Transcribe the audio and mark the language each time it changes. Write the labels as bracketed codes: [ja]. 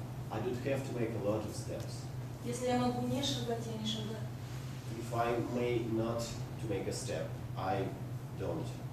[en] I don't have to make a lot of steps. [ru] Если я могу не шагать, я не шагаю. [en] If I may not to make a step, I don't.